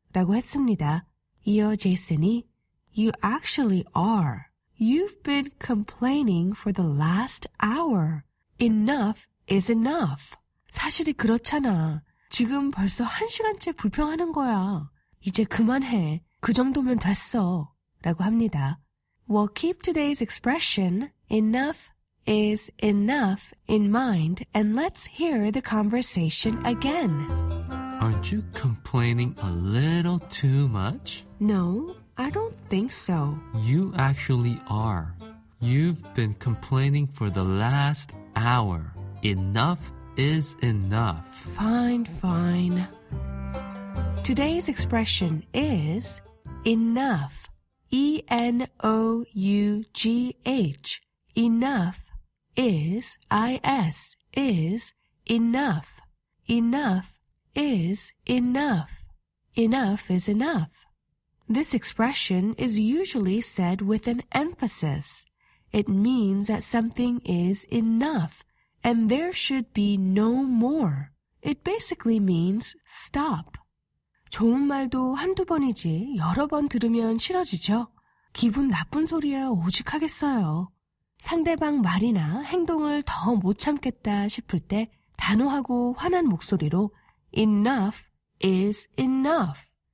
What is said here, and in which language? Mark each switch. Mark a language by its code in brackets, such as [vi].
[ko] 라고 했습니다. 이어 제이슨이 [en] You actually are. You've been complaining for the last hour. Enough is enough. [ko] 사실이 그렇잖아. 지금 벌써 한 시간째 불평하는 거야. 이제 그만해. 그 정도면 됐어. 라고 합니다. [en] We'll keep today's expression, enough is enough, in mind, and let's hear the conversation again. Aren't you complaining a little too much? No, I don't think so. You actually are. You've been complaining for the last hour. Enough is enough. Fine, fine. Today's expression is enough. E-N-O-U-G-H. Enough is, I-S, is enough. Enough is enough. Enough is enough. This expression is usually said with an emphasis. It means that something is enough and there should be no more. It basically means stop. [ko] 좋은 말도 한두 번이지 여러 번 들으면 싫어지죠. 기분 나쁜 소리야 오죽하겠어요. 상대방 말이나 행동을 더 못 참겠다 싶을 때 단호하고 화난 목소리로 [en] enough is enough.